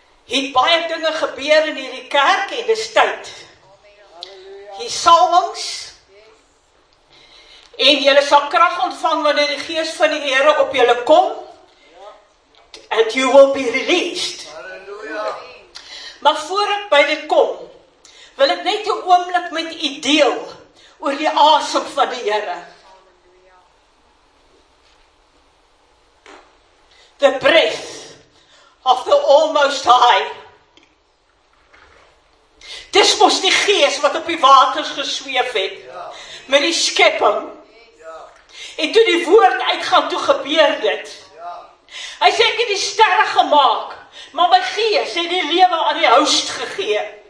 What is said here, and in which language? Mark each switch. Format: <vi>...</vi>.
<af>Het baie dinge gebeur in hierdie kerk en dis tyd. Die salwings. En jylle sal krag ontvang wanneer die Gees van die Here op jylle kom.</af> <en>And you will be released.</en> <af>Maar voor ek by dit kom, wil ek net 'n oomblik met u deel oor die asem van die Here.</af> <en>The breath of the almost high.</en> <af>Dis mos die gees wat op die waters gesweef het, ja. Met die skepping, ja. En toe die woord uitgaan, toe gebeur dit, ja. Hy sê, ek het die sterre gemaak, maar my gees het die lewe aan die host gegee,</af>